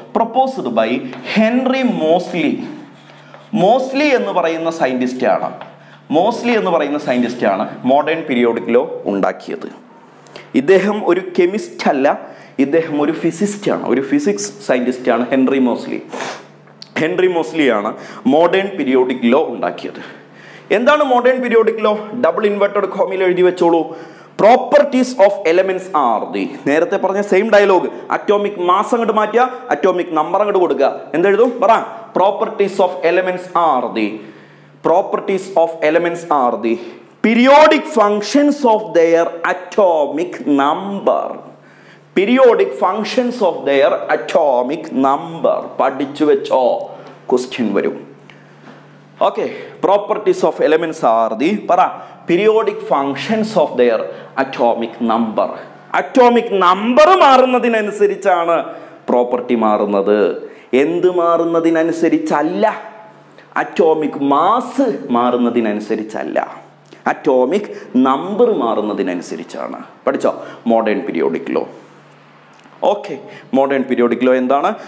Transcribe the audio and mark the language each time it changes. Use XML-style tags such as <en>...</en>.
<en>proposed by</en> <ml>Henry Moseley. Moseley എന്ന് പറയുന്ന സയന്റിസ്റ്റാണ്, Moseley എന്ന് പറയുന്ന സയന്റിസ്റ്റാണ് മോഡേൺ പീരിയോഡിക് ലോ ഉണ്ടാക്കിയത്. ഇദ്ദേഹം ഒരു കെമിസ്റ്റ് അല്ല, ഇദ്ദേഹം ഒരു ഫിസിസ്റ്റാണ്, ഒരു physics സയന്റിസ്റ്റാണ് Henry Moseley. Henry മോസ്ലിയാണ് modern periodic law ഉണ്ടാക്കിയത്. എന്താണ് modern periodic law? Double inverted കോമയിൽ എഴുതി വെച്ചോളൂ.</ml> <en>Properties of elements are the</en> <ml>നേരത്തെ പറഞ്ഞ സെയിം ഡയലോഗ്. അറ്റോമിക് മാസ് അങ്ങോട്ട് മാറ്റിയ അറ്റോമിക് നമ്പർ അങ്ങോട്ട് കൊടുക്കുക. എന്തെഴുതും പറ?</ml> <en>Properties of elements are the properties of elements are the periodic functions of their atomic number. Periodic functions of their atomic number.</en> <ml>പഠിച്ചു വെച്ചോ, question വരും.</ml> <en>Okay, properties of elements are the പറ periodic functions of their atomic number.</en> <ml>Atomic number മാറുന്നതിനനുസരിച്ചാണ് property മാറുന്നത്. എന്ത് മാറുന്നതിനനുസരിച്ചല്ല, atomic mass മാറുന്നതിനനുസരിച്ചല്ല, atomic number മാറുന്നതിനനുസരിച്ചാണ്. പഠിച്ചോ modern periodic law. Okay, modern periodic law എന്താണ്?</ml>